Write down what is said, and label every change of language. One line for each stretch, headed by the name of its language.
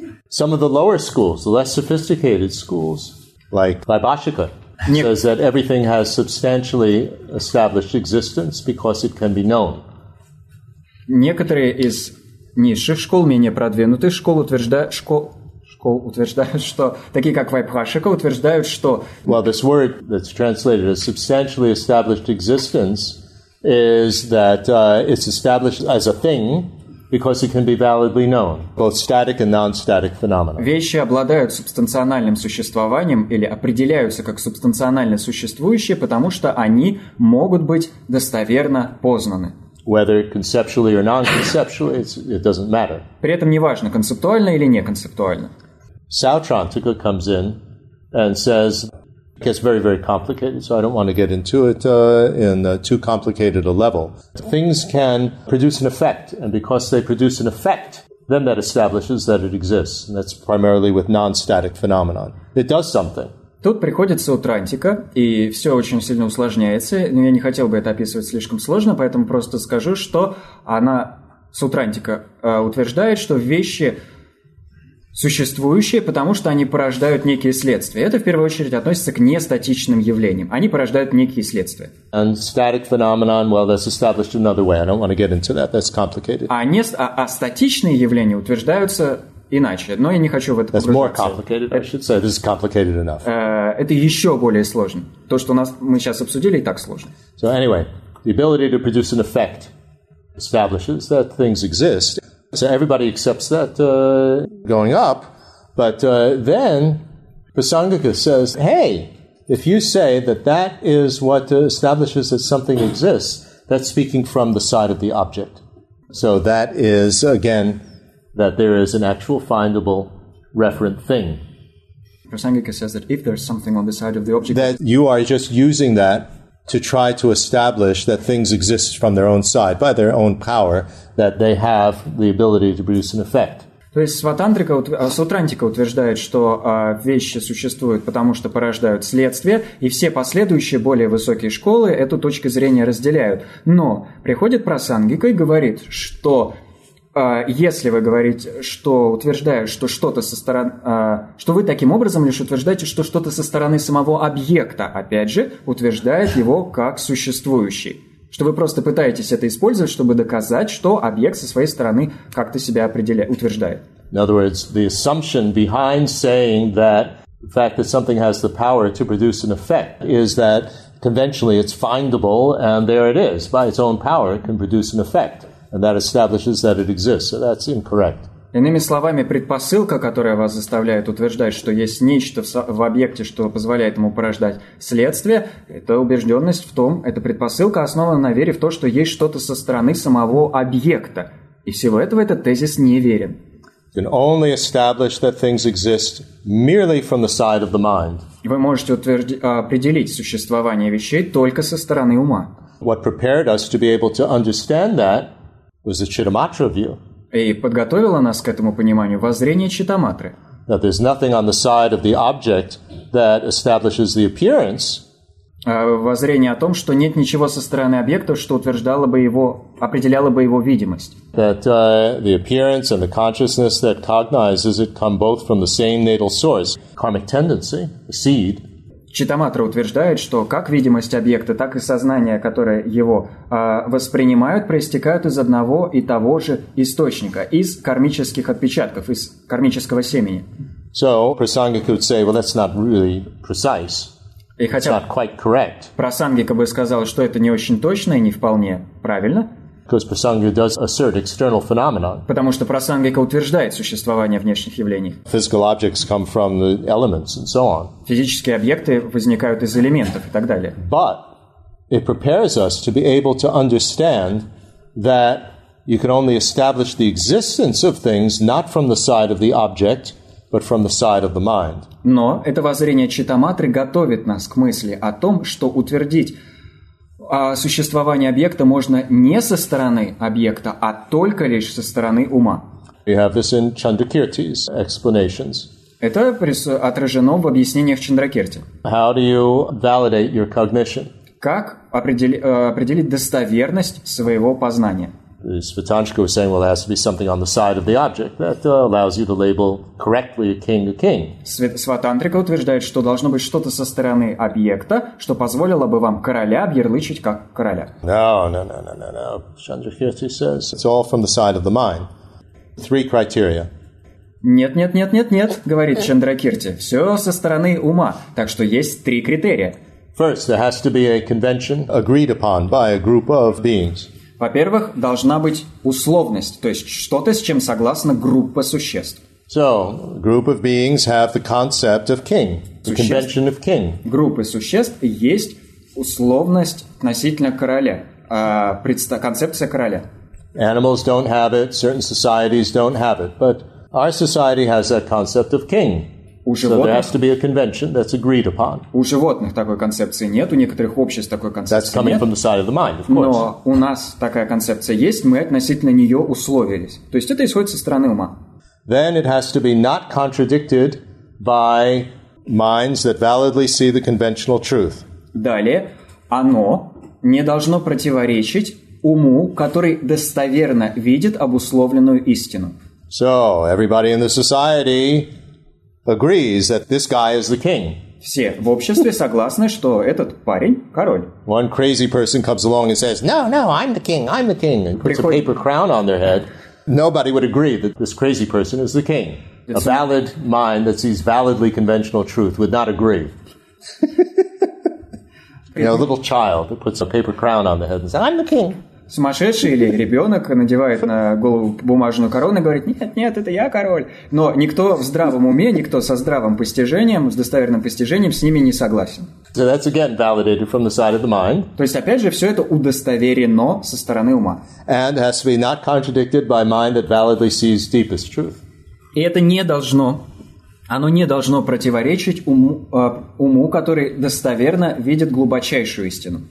English: Some of the lower schools, the less sophisticated schools, like Vaibhashika, says that everything has substantially established existence because it can be known.
Russian: Некоторые из низших школ, менее продвинутых школ, утверждают, что такие как Вайбхашика утверждают, что
English: well, this word that's translated as substantially established existence is that it's established as a thing because it can be validly known, both static and non-static phenomena.
Russian: Вещи обладают субстанциональным существованием или определяются как субстанционально существующие, потому что они могут быть достоверно познаны.
English: Whether conceptually or non-conceptually, it doesn't matter.
Russian: При этом неважно, концептуально или неконцептуально.
English: Sautrantika comes in and says, it gets very, very complicated, so I don't want to get into it in too complicated a level. Things can produce an effect, and because they produce an effect, then that establishes that it exists, and that's primarily with non-static phenomenon. It does something.
Russian: Тут приходит Сутрантика, и все очень сильно усложняется, но я не хотел бы это описывать слишком сложно, поэтому просто скажу, что она, Сутрантика, утверждает, что вещи существующие, потому что они порождают некие следствия. Это, в первую очередь, относится к нестатичным явлениям. Они порождают некие следствия.
English: And static phenomenon, well, that's established another way. I don't want to get into that. That's complicated.
Russian: А статичные явления утверждаются иначе. Но я не хочу в это погружаться.
English: That's more complicated, I should say. This is complicated enough.
Russian: Это еще более сложно. То, что мы сейчас обсудили, и так сложно.
English: So anyway, the ability to produce an effect establishes that things exist. So everybody accepts that going up, but then Prasangika says, hey, if you say that is what establishes that something exists, that's speaking from the side of the object. So that is, again, that there is an actual findable referent thing. Prasangika says that if there's something on the side of the object, that you are just using that to try to establish that things exist from their own side, by their own power, that they have the ability to produce an effect.
Russian: То есть Сутрантика утверждает, что вещи существуют, потому что порождают следствие, и все последующие более высокие школы эту точку зрения разделяют. Но приходит Прасангика и говорит, что если вы говорите, что утверждаете, что что-то со стороны, что вы таким образом лишь утверждаете, что что-то со стороны самого объекта, опять же, утверждает его как существующий. Что вы просто пытаетесь это использовать, чтобы доказать, что объект со своей стороны как-то себя утверждает.
English: In other words, the assumption behind saying that the fact that something has the power to produce an effect is that conventionally it's findable and there it is. By its own power it can produce an effect. And that establishes that it exists. So that's incorrect.
Russian: Иными словами, предпосылка, которая вас заставляет утверждать, что есть нечто в объекте, что позволяет ему порождать следствие, это убежденность в том, эта предпосылка основана на вере в то, что есть что-то со стороны самого объекта. И всего этого этот тезис не верен.
English: Can only establish that things exist merely from the side of the mind.
Russian: Вы можете определить существование вещей только со стороны ума.
English: What prepared us to be able to understand that was the Chittamatra view.
Russian: И подготовило нас к этому пониманию воззрение Читаматры.
English: That there's nothing on the side of the object that establishes the appearance.
Russian: Воззрение о том, что нет ничего со стороны объекта, что утверждало бы его, определяло бы его видимость.
English: That the appearance and the consciousness that cognizes it come both from the same natal source, karmic tendency, the seed.
Russian: Читаматра утверждает, что как видимость объекта, так и сознание, которое его воспринимают, проистекают из одного и того же источника, из кармических отпечатков, из кармического семени.
English: So, Prasangika could say, well, that's not really precise.
Russian: И хотя Прасангика бы сказал, что это не очень точно и не вполне правильно,
English: because Prasangika does assert external phenomena.
Russian: Потому что Прасангика утверждает существование внешних явлений.
English: Physical objects come from the elements and so on.
Russian: Физические объекты возникают из элементов и так далее.
English: But it prepares us to be able to understand that you can only establish the existence of things not from the side of the object, but from the side of the mind.
Russian: Но это воззрение Читаматры готовит нас к мысли о том, что утвердить существование объекта можно не со стороны объекта, а только лишь со стороны ума.
English: We have this in Chandrakirti's explanations.
Russian: Это отражено в объяснениях Чандракирти.
English: How do you validate your cognition?
Russian: Как определить достоверность своего познания?
English: Svatanshika was saying, well, there has to be something on the side of the object that allows you to label correctly a king a king.
Russian: Svatantrika утверждает, что должно быть что-то со стороны объекта, что позволило бы вам короля объярлычить как короля.
English: No. Chandrakirti says, it's all from the side of the mind. Three criteria.
Russian: Нет, говорит Чандракирти. Все со стороны ума. Так что есть три критерия.
English: First, there has to be a convention agreed upon by a group of beings.
Russian: Во-первых, должна быть условность, то есть что-то, с чем согласна группа существ.
English: So, group of beings have the concept of king, the convention of king.
Russian: Группы существ есть условность относительно короля, концепция короля.
English: Animals don't have it, certain societies don't have it, but our society has that concept of king. So there has to be a convention that's agreed upon.
Russian: У животных такой концепции нет, у некоторых обществ такой концепции нет.
English: That's coming from the side of the mind, of course.
Russian: Но у нас такая концепция есть, мы относительно нее условились. То есть это исходит со стороны ума.
English: Then it has to be not contradicted by minds that validly see the conventional truth.
Russian: Далее, оно не должно противоречить уму, который достоверно видит обусловленную истину.
English: So, everybody in the society agrees that this guy is the king.
Russian: Все в обществе согласны, что этот парень король.
English: One crazy person comes along and says, "No, I'm the king," and puts a paper crown on their head. Nobody would agree that this crazy person is the king. A valid mind that sees validly conventional truth would not agree. You know, a little child that puts a paper crown on their head and says, "I'm the king."
Russian: Сумасшедший или ребенок надевает на голову бумажную корону и говорит, нет, это я король. Но никто в здравом уме, никто со здравым постижением, с достоверным постижением с ними не согласен.
English: So that's again validated from the side of the mind.
Russian: То есть, опять же, все это удостоверено со стороны ума.
English: And has to be not contradicted by mind that validly sees deepest truth.
Russian: И это не должно, оно не должно противоречить уму, который достоверно видит глубочайшую истину.